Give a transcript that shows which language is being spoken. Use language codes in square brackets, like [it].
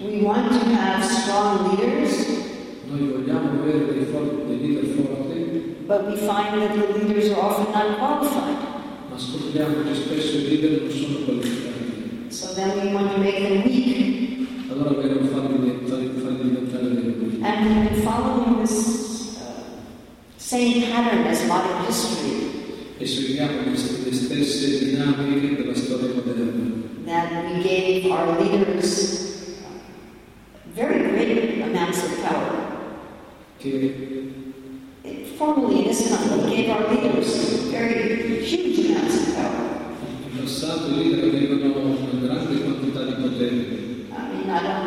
[en] We want to have strong leaders. [it] Noi vogliamo avere dei leader forti. [en] But we find that the leaders are often not qualified. [it] Ma scopriamo che spesso i leader non sono qualificati. [en] So then we want to make them weak. [it] Allora vogliamo farli diventare deboli. [en] And following this same pattern as modern history. [it] E seguiamo le stesse dinamiche della storia moderna. [en] That we gave our leaders very great amounts of power. [it] Che [en] formerly in this country gave our leaders very huge amounts of power. [it] In passato i leader avevano una grande quantità di potere.